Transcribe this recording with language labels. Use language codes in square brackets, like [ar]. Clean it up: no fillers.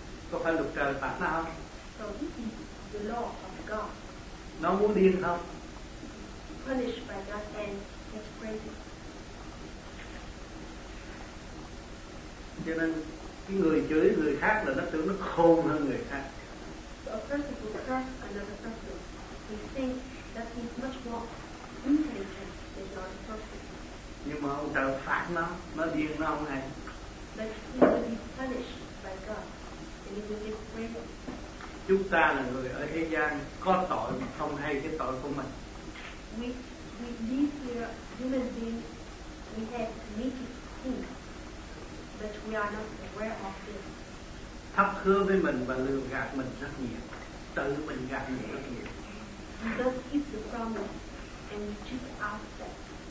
[vi] Có phải luật trời phạt nó không? [en] The law of God. [vi] Nó muốn điên không? [en] Punished by God and gets crazy. [vi] Cho nên cái người chửi người khác là nó tưởng nó khôn hơn người khác. [en] So a person who curses another person, he thinks that he's much more intelligent than the other person. [vi] Nhưng mà ông trời phạt nó điên nó không hay. [en] But he will be punished by God and he will get crazy. [vi] Chúng ta là người ở thế gian có tội mà không hay cái tội của mình. [en] We live here, human beings, we have committed sins, but we are not aware of this. [vi] Thấp hứa với mình và lừa gạt mình rất nhiều, tự mình gạt mình rất nhiều. [en] We don't keep the promise and we cheat ourselves.